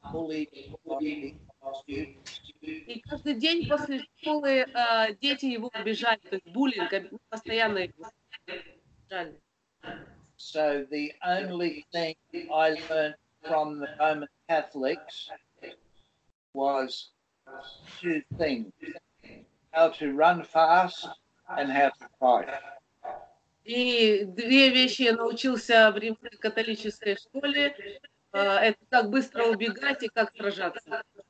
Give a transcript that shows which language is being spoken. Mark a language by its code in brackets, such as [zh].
[ru] И каждый день после школы дети его обижали, то есть буллинг постоянно его обижали. [en] So the only thing I learned from the Roman Catholics was two things: how to run fast and how to fight. [ru] И две вещи я научился в римской католической школе. Это как быстро убегать и как сражаться.